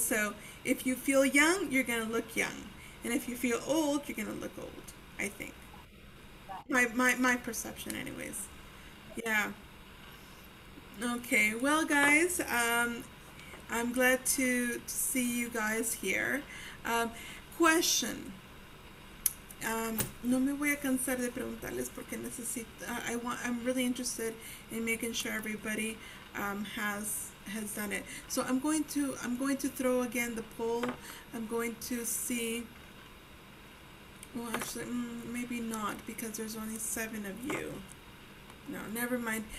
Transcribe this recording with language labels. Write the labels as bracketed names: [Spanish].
[English] So if you feel young, you're gonna look young. And if you feel old, you're gonna look old, I think. My perception anyways. Yeah. Okay, well guys, I'm glad to see you guys here. Question. [Spanish] No me voy a cansar de preguntarles porque necesito. [English] I'm really interested in making sure everybody has done it. So I'm going to throw again the poll. I'm going to see. Well, actually, maybe not, because there's only seven of you. No, never mind.